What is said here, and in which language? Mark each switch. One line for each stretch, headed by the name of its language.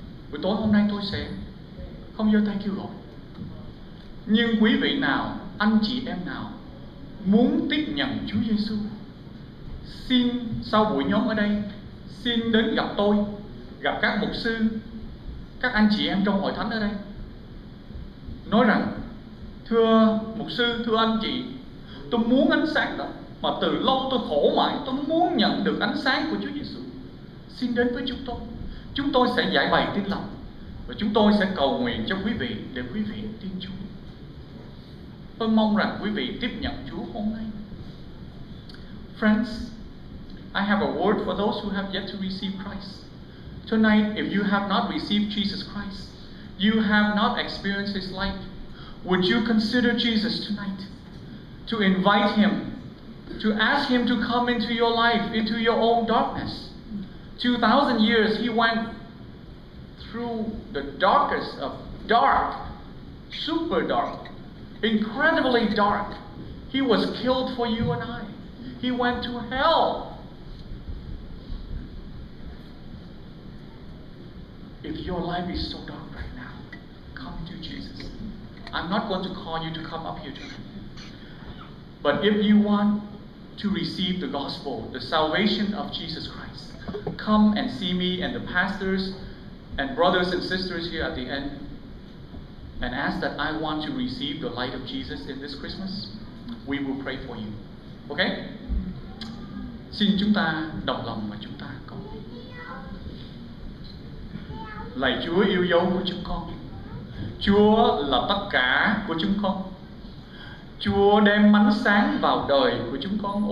Vietnamese: Buổi tối hôm nay tôi sẽ không giơ tay kêu gọi. Nhưng quý vị nào, anh chị em nào muốn tiếp nhận Chúa Giêsu, xin sau buổi nhóm ở đây, xin đến gặp tôi, gặp các mục sư, các anh chị em trong hội thánh ở đây, nói rằng, thưa mục sư, thưa anh chị, tôi muốn ánh sáng đó, mà từ lâu tôi khổ mãi, tôi muốn nhận được ánh sáng của Chúa Giêsu, xin đến với chúng tôi. Chúng tôi sẽ giải bày tin lành và chúng tôi sẽ cầu nguyện cho quý vị để quý vị tin Chúa. Tôi mong rằng quý vị tiếp nhận Chúa hôm nay.
English: Friends, I have a word for those who have yet to receive Christ. Tonight, if you have not received Jesus Christ, you have not experienced His life, would you consider Jesus tonight to invite Him, to ask Him to come into your life, into your own darkness? 2,000 years he went through the darkest of dark, super dark, incredibly dark. He was killed for you and I. He went to hell. If your life is so dark right now, to Jesus. I'm not going to call you to come up here tonight. But if you want to receive the gospel, the salvation of Jesus Christ, come and see me and the pastors and brothers and sisters here at the end and ask that I want to receive the light of Jesus in this Christmas. We will pray for you. Okay?
Vietnamese: Xin chúng ta đồng lòng và chúng ta cầu. Lạy Chúa yêu dấu của chúng con, Chúa là tất cả của chúng con, Chúa đem ánh sáng vào đời của chúng con.